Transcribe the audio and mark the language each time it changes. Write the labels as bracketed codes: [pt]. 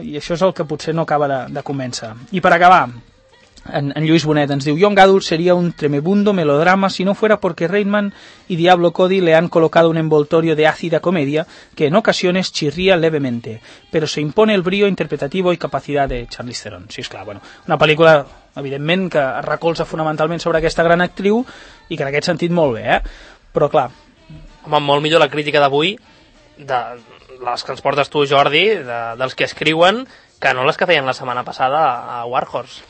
[ca] I això és el que potser no acaba de començar. I per acabar, en Lluís Bonet ens diu: [es] Young Gadul seria un tremebundo melodrama si no fuera porque Reitman y Diablo Cody le han colocado un envoltorio de ácida comedia que en ocasiones chirría levemente, pero se impone el brío interpretativo y capacidad de Charlize Theron. [ca] Sí, esclar, bueno, una pel·lícula, evidentment, que es recolza fonamentalment sobre aquesta gran actriu i que en aquest sentit molt bé, eh? Però, clar... Home, molt millor la crítica d'avui de les que ens portes tu, Jordi, dels que escriuen, que no les que feien la setmana passada a War Horse.